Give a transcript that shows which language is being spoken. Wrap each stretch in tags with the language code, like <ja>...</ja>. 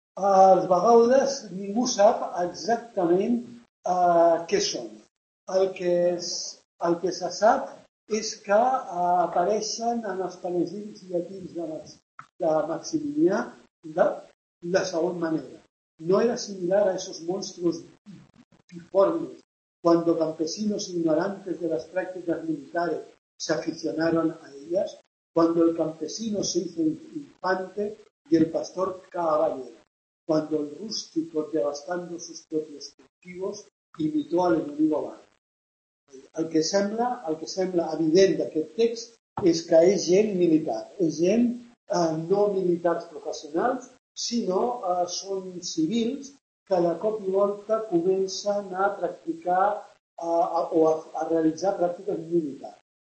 <ca>Els Baugades ningú sap exactament què són. El que se sap és que apareixen en els panegírics llatins de Maximilià de segona manera.</ca> <es>No era similar a esos monstruos biformes cuando campesinos ignorantes de las prácticas militares se aficionaron a ellas, cuando el campesino se hizo infante y el pastor caballero, cuando el rústico, devastando sus propios cultivos, imitó al enemigo barro.</es> <ca>El que sembla evident d'aquest text és que és gent militar, és gent no militars professionals, sinó són civils que de cop i volta comencen a practicar a realitzar pràctiques militars.</ca>